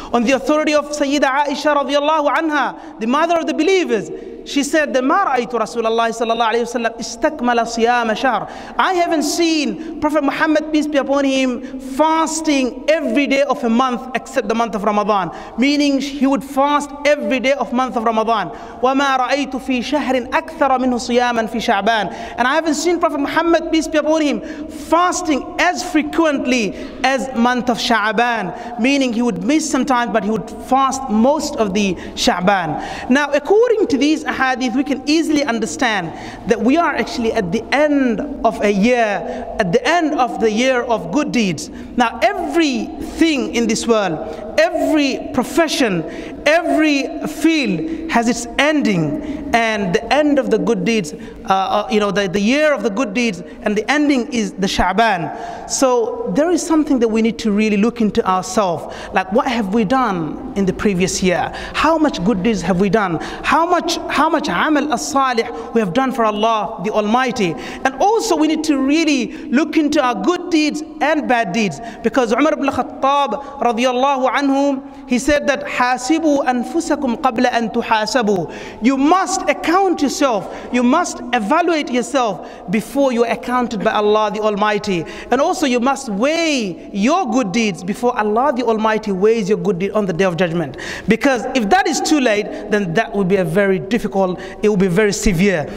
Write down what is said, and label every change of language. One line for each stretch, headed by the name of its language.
English: On the authority of Sayyida Aisha radiallahu anha, the mother of the believers, she said,
Arabic: ما رأيت رسول الله صلى الله عليه وسلم استكمل صيام شهر.
English: I haven't seen Prophet Muhammad, peace be upon him, fasting every day of a month except the month of Ramadan. Meaning he would fast every day of month of Ramadan.
Arabic: وما رأيت في شهر أكثر منه صياما في شعبان.
English: And I haven't seen Prophet Muhammad, peace be upon him, fasting as frequently as month of Sha'ban. Meaning he would miss some time, but he would fast most of the Sha'ban. Now, according to these hadith, we can easily understand that we are actually at the end of a year, at the end of the year of good deeds. Now, everything in this world, every profession, every field has its ending, and the end of the good deeds, the year of the good deeds, and the ending is the Sha'ban. So there is something that we need to really look into ourselves, like, what have we done in the previous year? How much good deeds have we done? How much amal as-salih we have done for Allah the Almighty? And also we need to really look into our good deeds and bad deeds, because Umar ibn Khattab radiallahu anhu
Arabic: عنه
English: he said that
Arabic: حاسبوا أنفسكم قبل أن تحاسبوا.
English: You must account yourself, you must evaluate yourself before you are accounted by Allah the Almighty, and also you must weigh your good deeds before Allah the Almighty weighs your good deed on the Day of Judgment. Because if that is too late, then that will be a very difficult, it will be very severe.